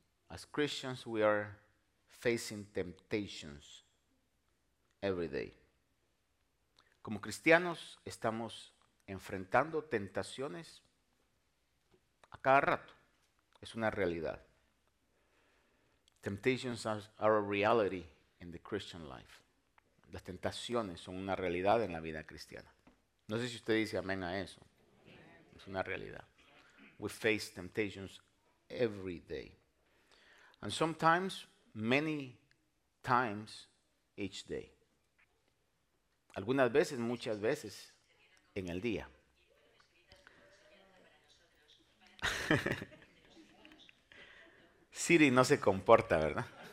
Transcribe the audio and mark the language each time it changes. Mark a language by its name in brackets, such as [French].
[English] As Christians, we are facing temptations every day. [Spanish] Como cristianos estamos enfrentando tentaciones a cada rato. Es una realidad. [English] Temptations are a reality in the Christian life. [Spanish] Las tentaciones son una realidad en la vida cristiana. No sé si usted dice amén a eso. Es una realidad. [English] We face temptations every day. And sometimes, many times each day. [Spanish] Algunas veces, muchas veces, en el día. Siri no se comporta, ¿verdad?